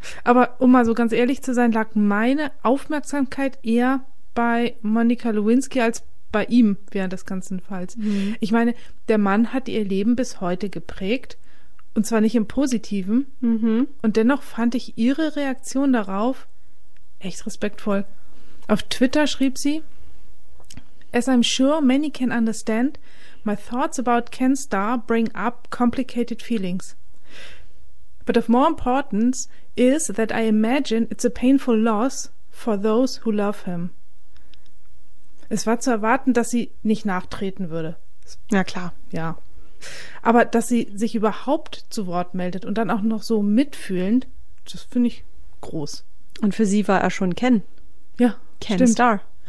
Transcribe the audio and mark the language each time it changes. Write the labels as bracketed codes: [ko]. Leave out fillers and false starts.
[de] Aber um mal so ganz ehrlich zu sein, lag meine Aufmerksamkeit eher bei Monica Lewinsky als bei ihm während des ganzen Falls. Mhm. Ich meine, der Mann hat ihr Leben bis heute geprägt und zwar nicht im Positiven. Mhm. Und dennoch fand ich ihre Reaktion darauf echt respektvoll. Auf Twitter schrieb sie: [en] "As I'm sure many can understand, my thoughts about Ken Starr bring up complicated feelings. But of more importance is that I imagine it's a painful loss for those who love him." [de] Es war zu erwarten, dass sie nicht nachtreten würde. Na klar. Ja. Aber dass sie sich überhaupt zu Wort meldet und dann auch noch so mitfühlend, das finde ich groß. Und für sie war er schon Ken. Ja. Ken Starr.